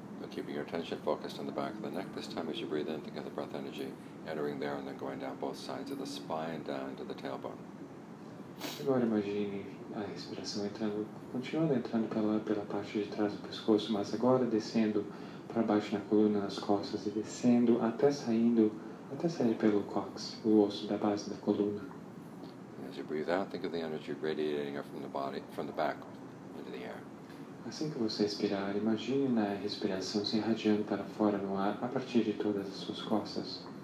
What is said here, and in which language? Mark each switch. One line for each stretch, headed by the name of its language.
English: Keeping your attention focused on the back of the neck this time as you breathe in, think of the breath energy entering there and then going down both sides of the spine down to the tailbone.
Portuguese: Agora imagine a respiração entrando, continuando entrando pela parte de trás do pescoço, mas agora descendo para baixo na coluna, nas costas e descendo até sair pelo cóccix, o osso da base da coluna.
English: As you breathe out, think of the energy radiating from the body, from the back into the air.
Portuguese: Assim que você expirar, imagine a respiração se irradiando para fora no ar, a partir de todas as suas costas.